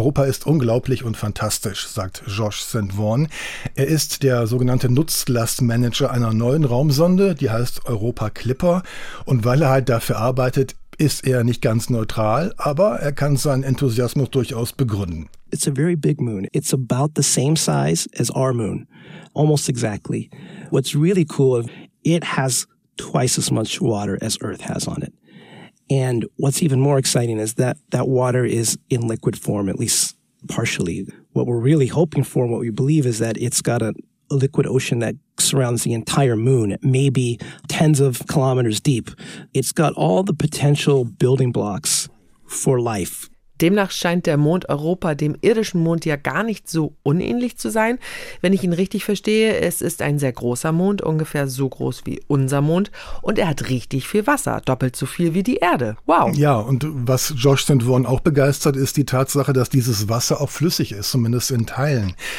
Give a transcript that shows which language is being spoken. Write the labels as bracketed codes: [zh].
[de] Europa ist unglaublich und fantastisch, sagt Georges Saint-Vaughan. Er ist der sogenannte Nutzlastmanager einer neuen Raumsonde, die heißt Europa Clipper. Und weil er halt dafür arbeitet, ist er nicht ganz neutral, aber er kann seinen Enthusiasmus durchaus begründen. [en] It's a very big moon. It's about the same size as our moon. Almost exactly. What's really cool, it has twice as much water as Earth has on it. And what's even more exciting is that that water is in liquid form, at least partially. What we're really hoping for and what we believe is that it's got a liquid ocean that surrounds the entire moon, maybe tens of kilometers deep. It's got all the potential building blocks for life. [de] Demnach scheint der Mond Europa dem irdischen Mond ja gar nicht so unähnlich zu sein. Wenn ich ihn richtig verstehe, es ist ein sehr großer Mond, ungefähr so groß wie unser Mond. Und er hat richtig viel Wasser, doppelt so viel wie die Erde. Wow. Ja, und was Josh St. Vaughan auch begeistert, ist die Tatsache, dass dieses Wasser auch flüssig ist, zumindest in Teilen.